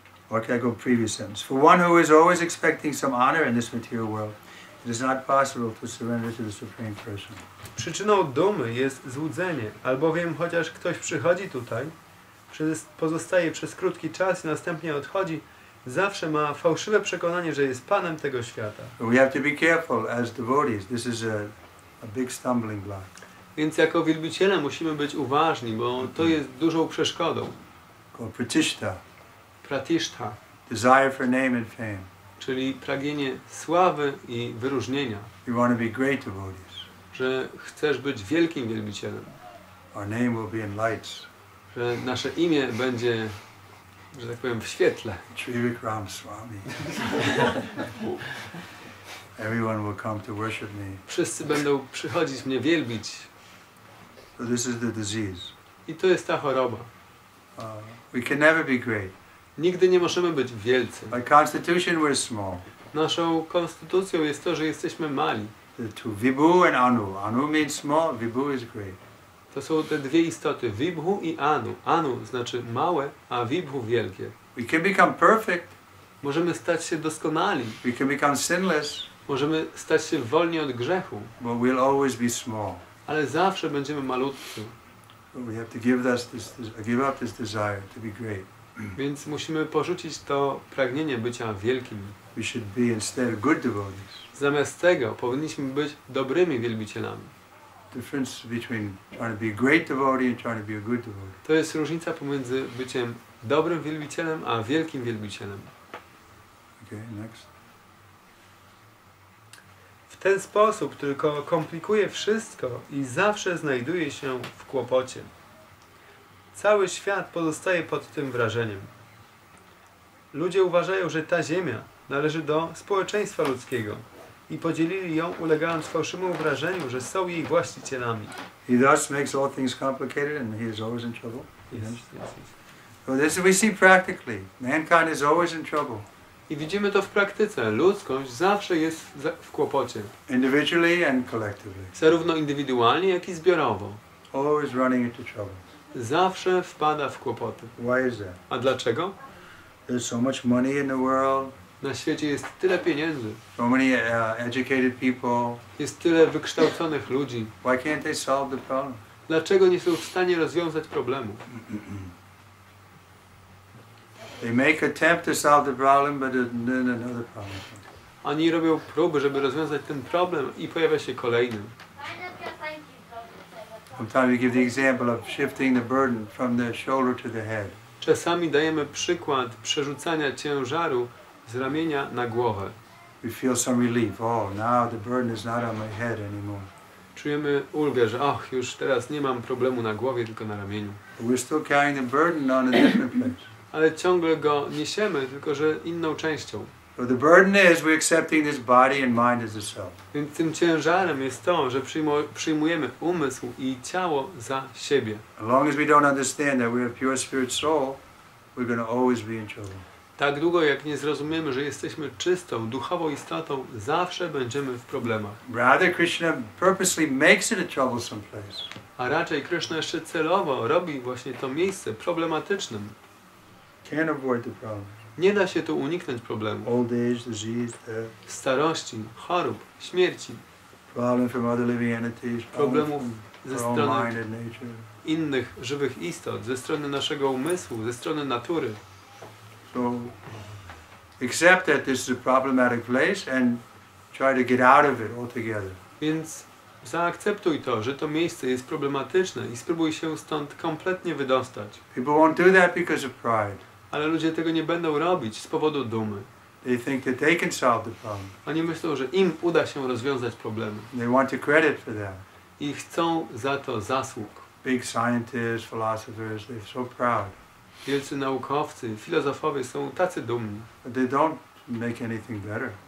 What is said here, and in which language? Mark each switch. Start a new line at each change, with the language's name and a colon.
English: Okay, I go previous sentence. For one who is always expecting some honor in this material world, it is not possible to surrender to the supreme person.
Polish: Przyczyną dumy jest złudzenie, albowiem chociaż ktoś przychodzi tutaj, pozostaje przez krótki czas i następnie odchodzi, zawsze ma fałszywe przekonanie, że jest panem tego świata.
English: We have to be careful as devotees. This is a big stumbling block.
Polish: Więc jako wielbiciele musimy być uważni, bo to jest dużą przeszkodą.
Sanskrit: Pratishtha. Pratishtha.
English: Desire for name and fame.
Polish: Czyli pragnienie sławy i wyróżnienia.
English: You want to be great devotees.
Polish: Że chcesz być wielkim wielbicielem.
English: Our name will be in lights.
Polish: Że nasze imię będzie, że tak powiem, w świetle.
English: Sri Vikram Swami. Everyone will come to worship me.
Polish: Wszyscy będą przychodzić mnie wielbić.
English: So this is the disease.
Polish: I to jest ta choroba.
English: We can never be great.
Polish: Nigdy nie możemy być wielcy.
English: By constitution we're small.
Polish: Naszą konstytucją jest to, że jesteśmy mali.
English: The two, Vibhu and Anu. Anu means small, Vibhu is great.
Polish: To są te dwie istoty, Vibhu i Anu. Anu znaczy małe, a Vibhu wielkie.
English: We can become perfect.
Polish: Możemy stać się doskonali.
English: We can become sinless.
Polish: Możemy stać się wolni od grzechu.
English: But we'll always be small.
Polish: Ale zawsze będziemy malutcy.
English: We have to give up this desire to be great.
Polish: Więc musimy porzucić to pragnienie bycia wielkim.
English: We should be instead good devotees.
Polish: Zamiast tego powinniśmy być dobrymi wielbicielami.
English: Difference between trying to be a great devotee and trying to be a good devotee.
Polish: To jest różnica pomiędzy byciem dobrym wielbicielem a wielkim wielbicielem.
English: Okay, next.
Polish: W ten sposób tylko komplikuje wszystko i zawsze znajduje się w kłopocie. Cały świat pozostaje pod tym wrażeniem. Ludzie uważają, że ta ziemia należy do społeczeństwa ludzkiego i podzielili ją, ulegając fałszywemu wrażeniu, że są jej właścicielami.
English: He thus makes all things complicated and he is always in trouble. Yes. So this we see practically. Mankind is always in trouble.
Polish: I widzimy to w praktyce. Ludzkość zawsze jest w kłopocie.
English: Individually and collectively.
Polish: Zarówno indywidualnie, jak i zbiorowo.
English: Always running into trouble.
Polish: Zawsze wpada w kłopoty.
English: Why is that?
Polish: A dlaczego?
English: There's so much money in the world.
Polish: Na świecie jest tyle pieniędzy.
English: So many educated people.
Polish: Jest tyle wykształconych ludzi.
English: Why can't they solve the problem?
Polish: Dlaczego nie są w stanie rozwiązać problemu?
English: They make attempt to solve the problem, but then another problem.
Polish: Oni robią próby, żeby rozwiązać ten problem, i pojawia się kolejny.
English: Sometimes we give the example of shifting the burden from the shoulder to the head.
Polish: Czasami dajemy przykład przerzucania ciężaru z ramienia na głowę.
English: We feel some relief. Oh, now the burden is not on my head anymore.
Polish: Czujemy ulgę, że och, już teraz nie mam problemu na głowie, tylko na ramieniu.
English: We're still carrying the burden on a different place.
Polish: Ale ciągle go niesiemy, tylko że inną częścią.
English: So the burden is we're accepting this body and mind as a self.
Polish: Więc tym ciężarem jest to, że przyjmujemy umysł i ciało za siebie.
English: As long as we don't understand that we are pure spirit soul, we're going to always be in trouble.
Polish: Tak długo, jak nie zrozumiemy, że jesteśmy czystą, duchową istotą, zawsze będziemy w problemach.
English: Rather, Krishna purposely makes it a troublesome place.
Polish: A raczej Krishna jeszcze celowo robi właśnie to miejsce problematycznym.
English: Can't avoid the problem.
Polish: Nie da się tu uniknąć problemu.
English: Old age, disease, death.
Polish: Starości, chorób, śmierci.
English: Problem from other living entities.
Polish: Problemów ze strony
English: minded nature.
Polish: Innych żywych istot, ze strony naszego umysłu, ze strony natury.
English: So, accept that this is a problematic place and try to get out of it altogether.
Polish: Więc Zaakceptuj to, że to miejsce jest problematyczne i spróbuj się stąd kompletnie wydostać.
English: People won't do that because of pride.
Polish: Ale ludzie tego nie będą robić z powodu dumy.
English: They think that they can solve the problem.
Polish: Oni myślą, że im uda się rozwiązać problemy.
English: They want the credit for them.
Polish: I chcą za to zasług.
English: Big scientists, philosophers, they're so proud.
Polish: Wielcy naukowcy, filozofowie są tacy dumni.
English: But they don't make anything better.